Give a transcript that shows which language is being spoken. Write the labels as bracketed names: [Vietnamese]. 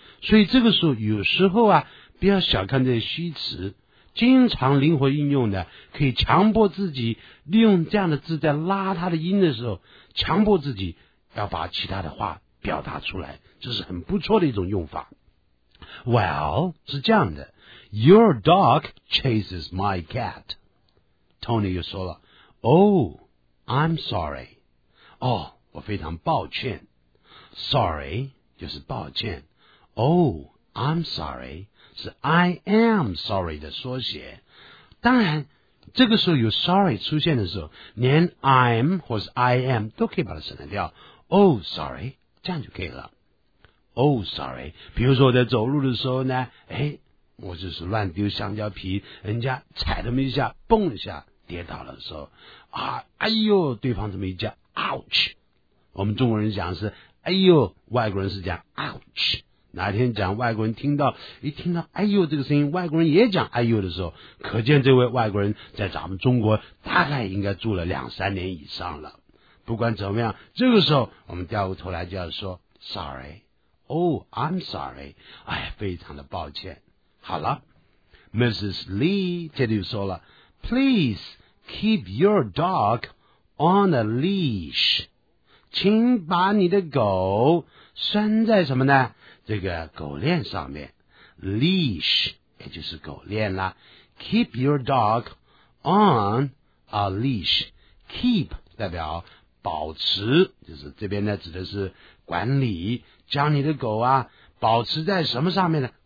[Chinese] 所以这个时候有时候啊，不要小看这些虚词，经常灵活运用的，可以强迫自己利用这样的字在拉它的音的时候，强迫自己要把其他的话表达出来，这是很不错的一种用法。 [English] Well [Chinese] 是这样的 [English] ，Your dog chases my cat。 Tony 又说了 ，Oh。I'm sorry. [Chinese] 哦，我非常抱歉。Sorry 就是抱歉。 [English] Oh, I'm sorry [Chinese] 是 [English] I am sorry [Chinese] 的缩写。当然，这个时候有 sorry 出现的时候，连 I'm 或是 I am 都可以把它省掉。 [English] Oh, sorry [Chinese] 这样就可以了。Oh, sorry 比如说我在走路的时候呢，哎，我就是乱丢香蕉皮，人家踩那么一下，蹦一下。跌倒了说啊哎呦对方这么一叫 ouch 我们中国人讲是哎呦外国人是讲 ouch 哪天讲外国人听到一听到哎呦这个声音外国人也讲哎呦的时候可见这位外国人在咱们中国大概应该住了两三年以上了不管怎么样这个时候我们掉过头来就要说 [English] sorry oh I'm sorry [Chinese] 哎非常的抱歉好了 Mrs. [English] Lee [Chinese] 这里就说了 [English] Please keep your dog on a leash. [Chinese] 请把你的狗拴在什么呢？这个狗链上面。Leash 也就是狗链啦。 [English] Keep your dog on a leash. [Chinese] Keep 代表保持，就是这边呢指的是管理，将你的狗啊保持在什么上面呢？